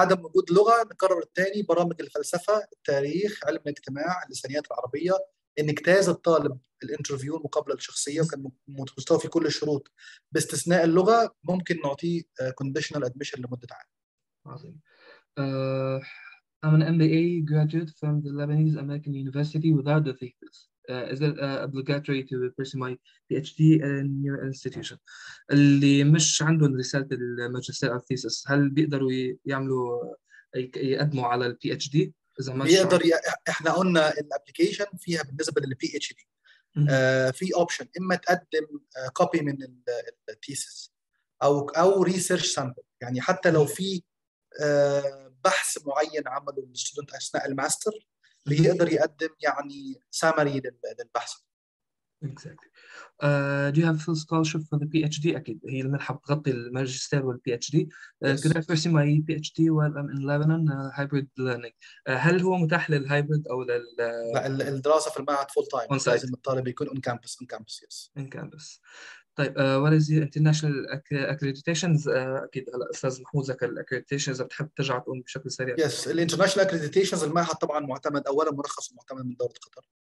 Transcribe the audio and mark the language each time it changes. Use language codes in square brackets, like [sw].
[ar] عدم وجود لغة. نكرر التاني، برامج الفلسفة، التاريخ، علم الاجتماع، اللسانيات العربية، انجتاز الطالب الانترفيو، المقابلة الشخصية، وكان مستوى في كل الشروط باستثناء اللغة، ممكن نعطيه [en] conditional admission [ar] لمدة عام. عظيم. [en] I'm an MBA graduate from the Lebanese American University without a thesis. Is it obligatory to pursue my PhD in your institution? [ar] اللي مش عندهم رسالة الماجستير أو الثيسس هل بيقدروا يعملوا يقدموا على الـ PhD إذا ما مش بيقدر، عندهم؟ احنا قلنا الابلكيشن فيها بالنسبه للبي اتش دي في اوبشن، اما تقدم كوبي من الثيسس او ريسيرش سامبل، يعني حتى لو في بحث معين عمله الاستودنت اثناء الماستر بيقدر يقدم يعني سامري للبحث. [en] Exactly. Do you have full scholarship for the PhD? [ar] أكيد هي المنحة بتغطي الماجستير والPhD. [en] Yes Could I pursue my PhD while I'm in Lebanon hybrid learning? [ar] هل هو متاح للهايبرد أو لل لا، الدراسة في المعهد فول تايم، [en] on site [ar] لازم الطالب يكون اون كامبس. اون كامبس يس. [en] in campus؟ [ar] طيب [en] what is your international accreditations؟ [ar] أكيد هلا أستاذ محمود ذكر الأكريديتيشن، إذا بتحب ترجع تقول بشكل سريع. يس، الانترناشونال اكريديتيشنز، المعهد طبعا معتمد، اولا مرخص ومعتمد من دولة قطر.